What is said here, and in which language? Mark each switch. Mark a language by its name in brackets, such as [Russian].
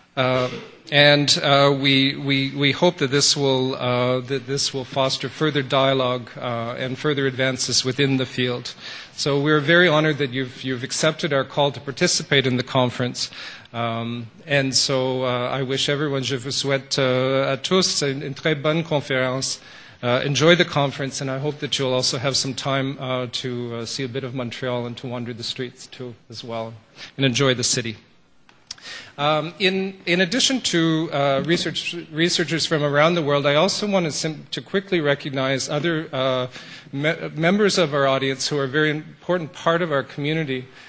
[English] We hope that this will foster further dialogue and further advances within the field. So we're very honored that you've accepted our call to participate in the conference. I wish everyone, [French] je vous souhaite à tous une très bonne conférence. [English] Enjoy the conference, and I hope that you'll also have some time to see a bit of Montreal and to wander the streets too as well, and enjoy the city. In addition to researchers from around the world, I also want to quickly recognize other members of our audience who are a very important part of our community.